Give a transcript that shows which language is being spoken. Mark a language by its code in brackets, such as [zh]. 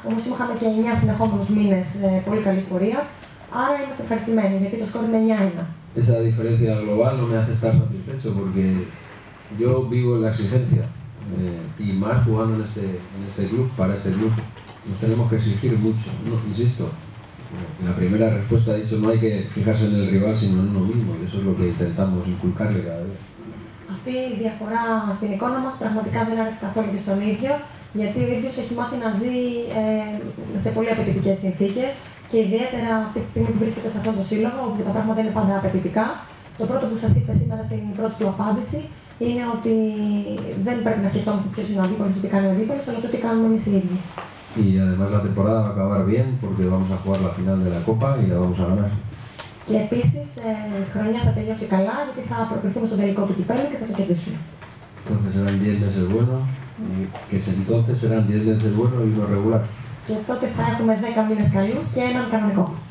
[el] Όμως είχαμε και 9 συνεχόμενους μήνες πολύ καλής πορείας. Άρα είμαστε ευχαριστημένοι γιατί το σκορ είναι 9-1. [es] Esa diferencia global no me hace estar satisfecho porque yo vivo en la exigencia. Y más jugando en este club, para este club. Nos tenemos que exigir mucho, ¿no? Insisto. La primera respuesta ha dicho no hay que fijarse en el rival sino en uno mismo, eso es lo que intentamos inculcarle cada vez. [el] Αυτή η διαφορά στην εικόνα μας πραγματικά δεν άρεσε καθόλου και στον ίδιο, γιατί ο ίδιος έχει μάθει να ζει σε πολύ απαιτητικές συνθήκες και ιδιαίτερα αυτή τη στιγμή που βρίσκεται σε αυτόν τον σύλλογο, όπου τα πράγματα είναι πάντα απαιτητικά. Το πρώτο που σας είπε σήμερα στην πρώτη του απάντηση είναι ότι δεν πρέπει να σκεφτόμαστε ποιος είναι ο αντίπαλος, τι κάνει ο αντίπαλος, αλλά το τι κάνουμε εμείς οι ίδιοι. [es] Y además la temporada va a acabar bien porque vamos a jugar la final de la Copa y la vamos a ganar. [el] Y επίσης, χρονιά θα τελειώσει καλά γιατί θα προκριθούμε στο τελικό του κυπέλλου και θα το κερδίσουμε. [es] Entonces serán 10 meses buenos, que entonces serán 10 meses buenos y uno regular. [el] Και τότε θα έχουμε 10 μήνες καλούς και έναν κανονικό.